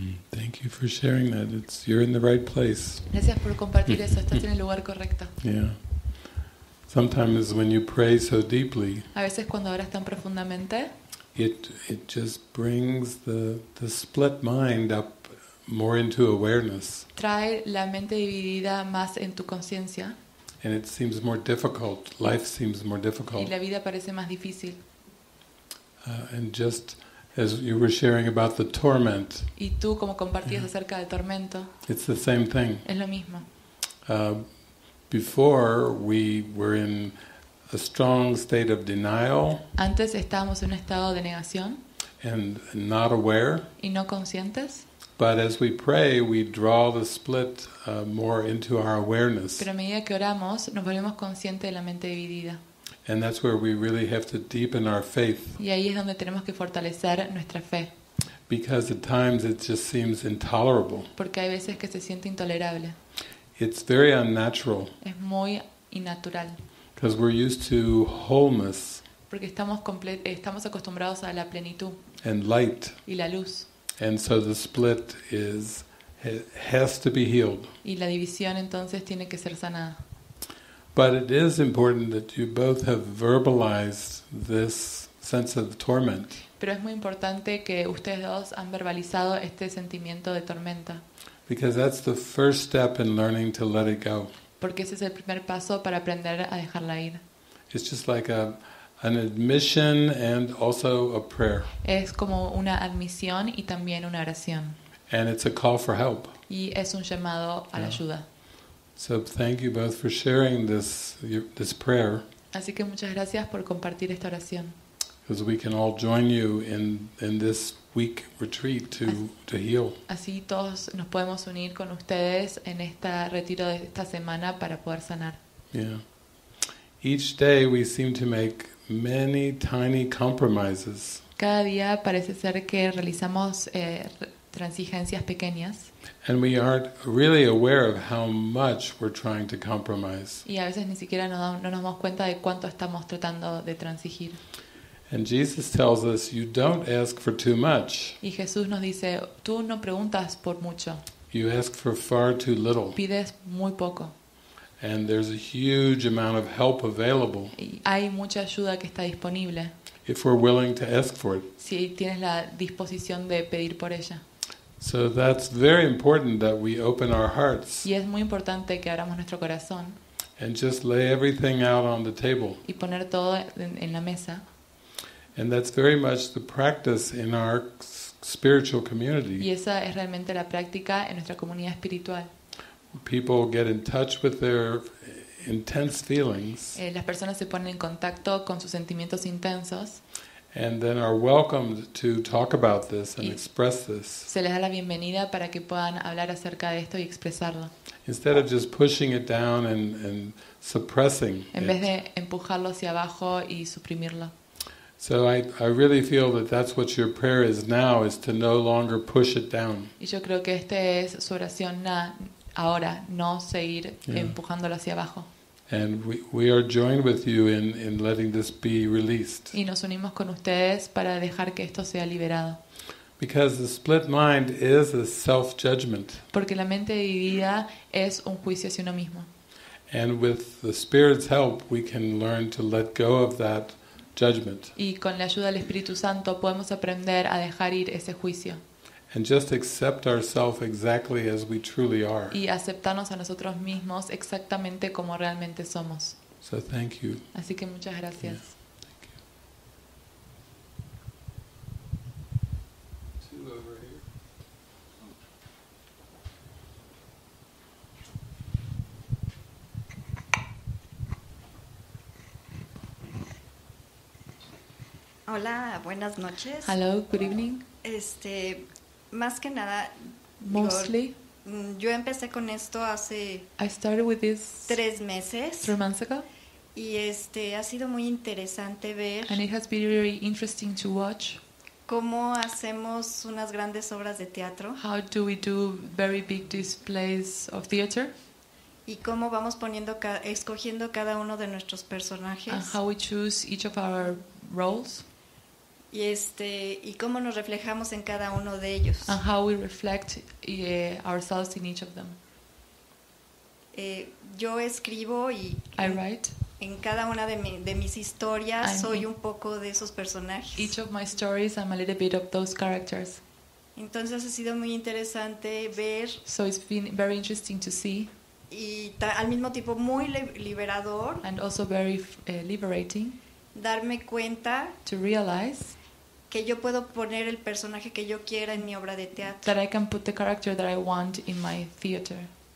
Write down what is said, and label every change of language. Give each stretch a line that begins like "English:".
English: Thank you for sharing that. It's, you're in the right place.
Spanish: Gracias por compartir eso. Estás en el lugar correcto.
English: Yeah. Sometimes when you pray so deeply,
Spanish: a veces cuando oras tan profundamente,
English: it just brings the split mind up more into awareness.
Spanish: Trae la mente dividida más en tu conciencia.
English: And it seems more difficult. Life seems more difficult.
Spanish: Y la vida parece más difícil.
English: And just as you were sharing about the torment.
Spanish: Y tú como compartías acerca del tormento.
English: It's the same thing.
Spanish: Es lo mismo.
English: Before we were in a strong state of denial.
Spanish: Antes estábamos en un estado de negación.
English: And not aware.
Spanish: Y no conscientes.
English: But as we pray, we draw the split more into our awareness.
Spanish: Pero a medida que oramos, nos volvemos conscientes de la mente dividida.
English: And that's where we really have to deepen our faith.
Spanish: Y ahí es donde tenemos que fortalecer nuestra fe.
English: Because at times it just seems intolerable.
Spanish: Porque hay veces que se siente intolerable.
English: It's very unnatural.
Spanish: Es muy innatural.
English: Because we're used to wholeness.
Spanish: Porque estamos acostumbrados a la plenitud.
English: And light.
Spanish: Y la luz.
English: And so the split is has to be healed.
Spanish: Y la división entonces tiene que ser sanada.
English: But it is important that you both have verbalized this sense of torment.
Spanish: Pero es muy importante que ustedes dos han verbalizado este sentimiento de tormenta.
English: Because that's the first step in learning to let it go.
Spanish: Porque ese es el primer paso para aprender a dejarla ir.
English: It's just like an admission and also a prayer.
Spanish: Es como una admisión y también una oración.
English: And it's a call for help.
Spanish: Y es un llamado a la ayuda.
English: So thank you both for sharing this prayer.
Spanish: Así que muchas gracias por compartir esta oración.
English: Because we can all join you in this week retreat to heal.
Spanish: Así todos nos podemos unir con ustedes en este retiro de esta semana para poder sanar.
English: Yeah. Each day we seem to make many tiny compromises.
Spanish: Cada día parece ser que realizamos transigencias pequeñas.
English: And we aren't really aware of how much we're trying to compromise.
Spanish: Y a veces ni siquiera no nos damos cuenta de cuánto estamos tratando de transigir.
English: And Jesus tells us, you don't ask for too much.
Spanish: Y Jesús nos dice, tú no preguntas por mucho.
English: You ask for far too little.
Spanish: Pides muy poco.
English: And there's a huge amount of help available.
Spanish: Y hay mucha ayuda que está disponible.
English: If we're willing to ask for it.
Spanish: Si tienes la disposición de pedir por ella.
English: So that's very important that we open our hearts.
Spanish: Y es muy importante que abramos nuestro corazón.
English: And just lay everything out on the table.
Spanish: Y poner todo en la mesa.
English: And that's very much the practice in our spiritual community.
Spanish: Y esa es realmente la práctica en nuestra comunidad espiritual.
English: People get in touch with their intense feelings.
Spanish: Las personas se ponen en contacto con sus sentimientos intensos.
English: And then are welcomed to talk about this and express this.
Spanish: Se les da la bienvenida para que puedan hablar acerca de esto y expresarlo.
English: Instead of just pushing it down and suppressing it.
Spanish: En vez de empujarlo hacia abajo y suprimirlo.
English: So I really feel that that's what your prayer is now, is to no longer push it down.
Spanish: Y yo creo que esta es su oración ahora, no seguir empujándolo hacia abajo.
English: And we are joined with you in letting this be released.
Spanish: Y nos unimos con ustedes para dejar que esto sea liberado.
English: Because the split mind is a self-judgment.
Spanish: Porque la mente dividida es un juicio hacia uno mismo.
English: And with the Spirit's help, we can learn to let go of that judgment.
Spanish: Y con la ayuda del Espíritu Santo podemos aprender a dejar ir ese juicio.
English: And just accept ourselves exactly as we truly are.
Spanish: Y aceptarnos a nosotros mismos exactamente como realmente somos.
English: So thank you.
Spanish: Así que muchas gracias. Yeah. Hola, buenas noches.
English: Hello, good evening.
Spanish: Más que nada,
English: mostly,
Spanish: yo empecé con esto hace tres meses.
English: 3 months ago.
Spanish: Y ha sido muy interesante ver.
English: And it has been very interesting to watch.
Spanish: ¿Cómo hacemos unas grandes obras de teatro?
English: How do we do very big displays of theater?
Spanish: ¿Y cómo vamos poniendo escogiendo cada uno de nuestros personajes?
English: And how we choose each of our roles?
Spanish: Y y cómo nos reflejamos en cada uno de ellos.
English: And how we reflect ourselves in each of them.
Spanish: Yo escribo y
English: I write.
Spanish: En cada una de mis historias soy un poco de esos personajes.
English: Each of my stories, I'm a little bit of those characters.
Spanish: Entonces ha sido muy interesante ver.
English: So it's been very interesting to see.
Spanish: Y al mismo tiempo muy liberador.
English: And also very liberating.
Spanish: Darme cuenta.
English: To realize.
Spanish: Que yo puedo poner el personaje que yo quiera en mi obra de teatro.
English: That I can put the character that I want in my theater.